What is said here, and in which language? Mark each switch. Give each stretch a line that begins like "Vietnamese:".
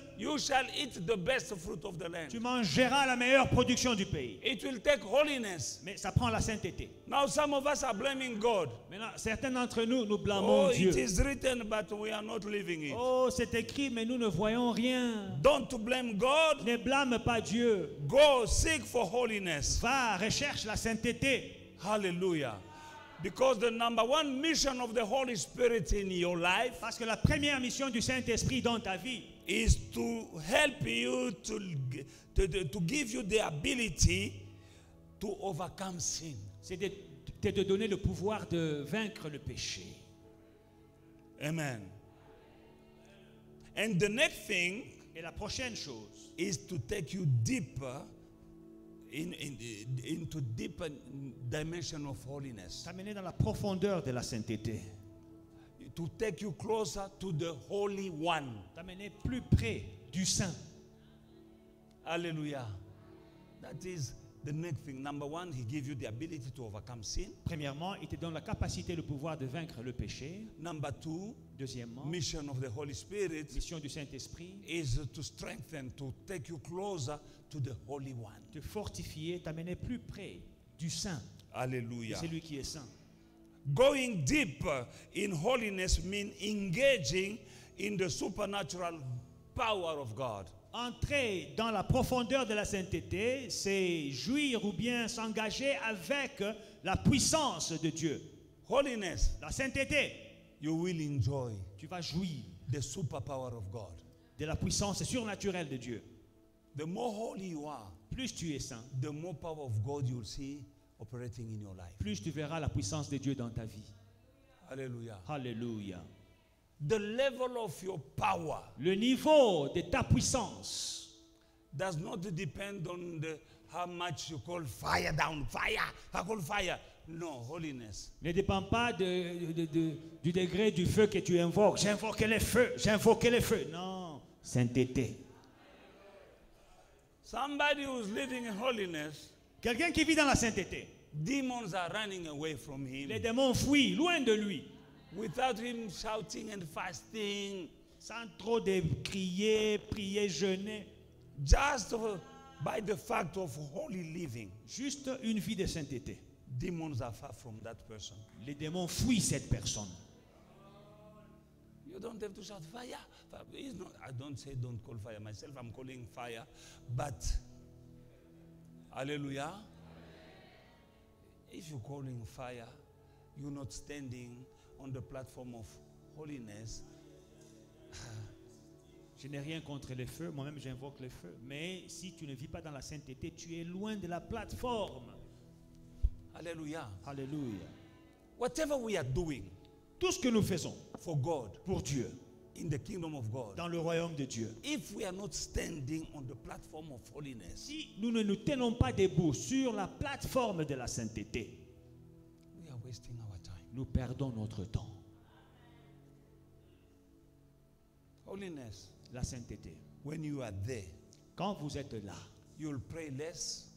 English: You shall eat the best fruit of the land.
French: Tu mangeras la meilleure production du pays.
English: It will take holiness.
French: Mais ça prend la sainteté.
English: Now some of us are blaming God.
French: Maintenant, certains d'entre nous nous blâmons Dieu.
English: it is written, but we are not living it.
French: Oh, c'est écrit, mais nous ne voyons rien.
English: Don't blame God.
French: Ne blâme pas Dieu.
English: Go seek for holiness.
French: Va, recherche la sainteté.
English: Hallelujah. Because the number one mission of the Holy Spirit in your life,
French: parce que la première mission du Saint-Esprit dans ta vie,
English: is to help you to give you the ability to overcome sin.
French: C'est de donner le pouvoir de vaincre le péché.
English: Amen. And the next thing,
French: et la prochaine chose,
English: is to take you deeper. Into deep dimension of holiness.
French: T'amener dans la profondeur de la sainteté.
English: To take you closer to the Holy One.
French: T'amener plus près du Saint.
English: Alléluia. That is the next thing. Number one, he gives you the ability to overcome sin.
French: Premièrement, il te donne la capacité, le pouvoir de vaincre le péché.
English: Number two,
French: deuxièmement,
English: mission of the Holy Spirit,
French: mission du Saint-Esprit,
English: is to strengthen, to take you closer to the Holy One.
French: Te fortifier, t'amener plus près du Saint. Alléluia. C'est lui qui est saint.
English: Going deep in holiness means engaging in the supernatural power of God.
French: Entrer dans la profondeur de la sainteté, c'est jouir ou bien s'engager avec la puissance de Dieu.
English: Holiness,
French: la sainteté,
English: you will enjoy,
French: tu vas jouir,
English: the super power of God,
French: de la puissance surnaturelle de Dieu.
English: The more holy you are,
French: plus tu es saint,
English: the more power of God you'll see operating in your life,
French: plus tu verras la puissance de Dieu dans ta vie. Alléluia. Alléluia.
English: The level of your power,
French: le niveau de ta puissance,
English: does not depend on the, how much you call fire down, fire, I call fire, No, holiness.
French: Ne dépend pas du degré du feu que tu invoques. J'invoque le feu. Non, sainteté.
English: Somebody who's living in holiness.
French: Quelqu'un qui vit dans la sainteté.
English: Demons are running away from him.
French: Les démons fuient loin de lui.
English: Without him shouting and fasting.
French: Sans trop de prier, jeûner.
English: Just by the fact of holy living.
French: Juste une vie de sainteté.
English: Demons are far from that person.
French: Les démons fuient cette personne.
English: You don't have to shout fire. It's not, I don't say don't call fire myself. I'm calling fire. But, hallelujah. If you're calling fire, you're not standing on the platform of holiness.
French: Je n'ai rien contre les feux. Moi-même, j'invoque les feux. Mais si tu ne vis pas dans la sainteté, tu es loin de la plateforme. Alléluia. Alléluia.
English: Whatever we are doing,
French: tout ce que nous faisons
English: for God,
French: pour Dieu,
English: in the kingdom of God,
French: dans le royaume de Dieu,
English: if we are not standing on the platform of holiness,
French: si nous ne nous tenons pas debout sur la plateforme de la sainteté,
English: we are wasting our time.
French: Nous perdons notre temps.
English: Holiness,
French: la sainteté.
English: When you are there,
French: quand vous êtes là,
English: you'll pray less,